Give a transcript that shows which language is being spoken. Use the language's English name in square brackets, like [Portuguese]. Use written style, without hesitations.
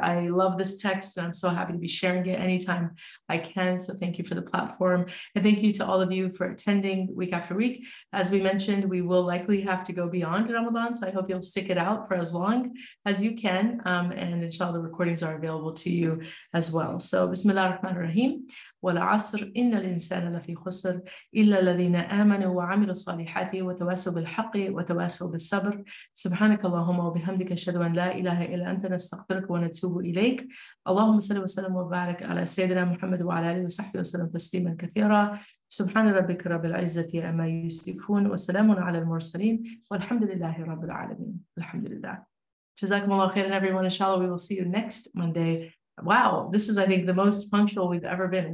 [English] I love this text and I'm so happy to be sharing it anytime I can. So thank you for the platform. And thank you to all of you for attending week after week. As we mentioned, we will likely have to go beyond Ramadan. So I hope you'll stick it out for as long as you can. And inshallah, the recordings are available to you as well. So bismillah ar-Rahman ar-Rahim. [Arabic] والعصر إن الإنسان لفي خسر إلا الذين آمنوا وعملوا الصالحات وتواصوا بالحق وتواصوا بالصبر سبحانك اللهم وبحمدك أشهد أن لا إله إلا أنت نستغفرك ونتوب إليك اللهم صل وسلم وبارك على سيدنا محمد وعلى آله وصحبه وسلم تسليما كثيرا سبحان ربك رب العزة عما يصفون وسلام على المرسلين والحمد لله رب العالمين الحمد لله جزاكم الله خيرا [English] everyone inshallah we will see you next Monday. Wow, this is, I think, the most punctual we've ever been.